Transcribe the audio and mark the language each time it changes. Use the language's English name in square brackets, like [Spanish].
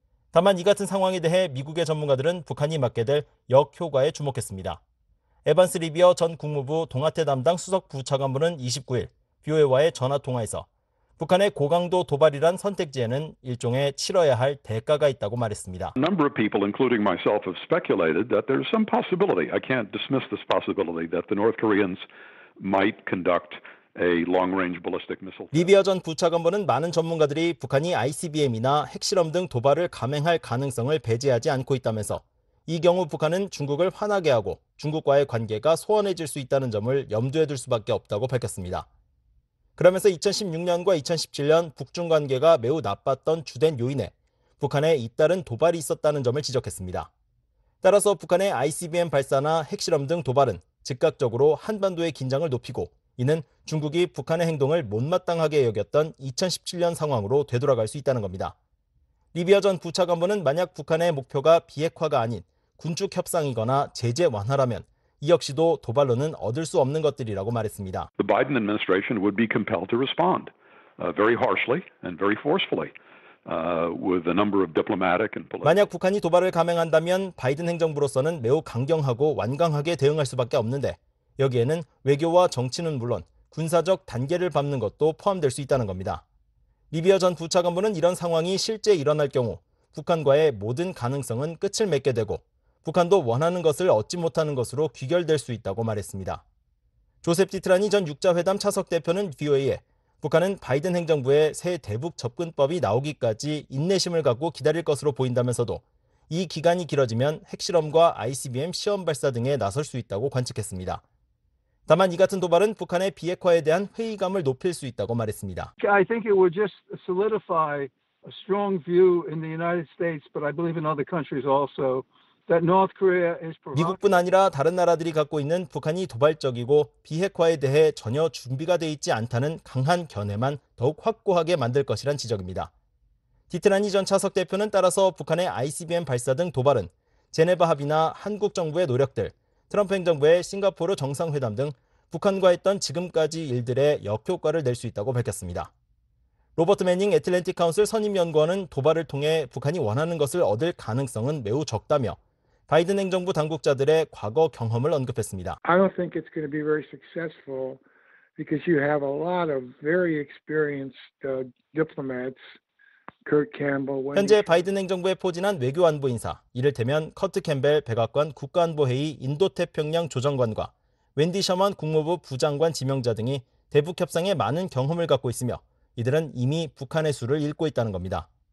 [Korean] 다만 이 같은 상황에 대해 미국의 전문가들은 북한이 맞게 될 역효과에 주목했습니다. 에반스 리비어 전 국무부 동아태 담당 수석 부차관부는 29일 BOA와의 전화통화에서 북한의 고강도 도발이란 선택지에는 일종의 치러야 할 대가가 있다고 말했습니다. [English] A number of people, including myself, have speculated that there's some possibility. I can't dismiss this possibility that the North Koreans might conduct a long-range ballistic missile. [Korean] 리비어 전 부차관부는 많은 전문가들이 북한이 ICBM이나 핵실험 등 도발을 감행할 가능성을 배제하지 않고 있다면서 이 경우 북한은 중국을 화나게 하고 중국과의 관계가 소원해질 수 있다는 점을 염두에 둘 수밖에 없다고 밝혔습니다. 그러면서 2016년과 2017년 북중 관계가 매우 나빴던 주된 요인에 북한의 잇따른 도발이 있었다는 점을 지적했습니다. 따라서 북한의 ICBM 발사나 핵실험 등 도발은 즉각적으로 한반도의 긴장을 높이고 이는 중국이 북한의 행동을 못마땅하게 여겼던 2017년 상황으로 되돌아갈 수 있다는 겁니다. 리비아 전 부차관부는 만약 북한의 목표가 비핵화가 아닌 군축 협상이거나 제재 완화라면 이 역시도 도발로는 얻을 수 없는 것들이라고 말했습니다. [English] The Biden administration would be compelled to respond very harshly and very forcefully with a number of diplomatic and political. [Korean] 만약 북한이 도발을 감행한다면 바이든 행정부로서는 매우 강경하고 완강하게 대응할 수밖에 없는데 여기에는 외교와 정치는 물론 군사적 단계를 밟는 것도 포함될 수 있다는 겁니다. 리비어 전 부차관부는 이런 상황이 실제 일어날 경우 북한과의 모든 가능성은 끝을 맺게 되고 북한도 원하는 것을 얻지 못하는 것으로 귀결될 수 있다고 말했습니다. 조셉 디트라니 전 6자회담 차석 대표는 VOA에 북한은 바이든 행정부의 새 대북 접근법이 나오기까지 인내심을 갖고 기다릴 것으로 보인다면서도 이 기간이 길어지면 핵실험과 ICBM 시험 발사 등에 나설 수 있다고 관측했습니다. 다만 이 같은 도발은 북한의 비핵화에 대한 회의감을 높일 수 있다고 말했습니다. [English] I think it would just solidify a strong view in the United States, but I believe in other countries also. [Korean] 미국뿐 아니라 다른 나라들이 갖고 있는 북한이 도발적이고 비핵화에 대해 전혀 준비가 돼 있지 않다는 강한 견해만 더욱 확고하게 만들 것이란 지적입니다. 디트라니 전 차석 대표는 따라서 북한의 ICBM 발사 등 도발은 제네바 합의나 한국 정부의 노력들, 트럼프 행정부의 싱가포르 정상회담 등 북한과 했던 지금까지 일들의 역효과를 낼 수 있다고 밝혔습니다. 로버트 매닝 애틀랜틱 카운슬 선임연구원은 도발을 통해 북한이 원하는 것을 얻을 가능성은 매우 적다며 바이든 행정부 당국자들의 과거 경험을 언급했습니다. [English] I don't think it's going to be very successful because you have a lot of very experienced diplomats. Kurt Campbell. [Korean] 현재 바이든 행정부에 포진한 외교안보 인사, 이를테면 커트 캠벨 백악관 국가안보회의 인도태평양 조정관과 웬디 셔먼 국무부 부장관 지명자 등이 대북 협상에 많은 경험을 갖고 있으며 이들은 이미 북한의 수를 읽고 있다는 겁니다.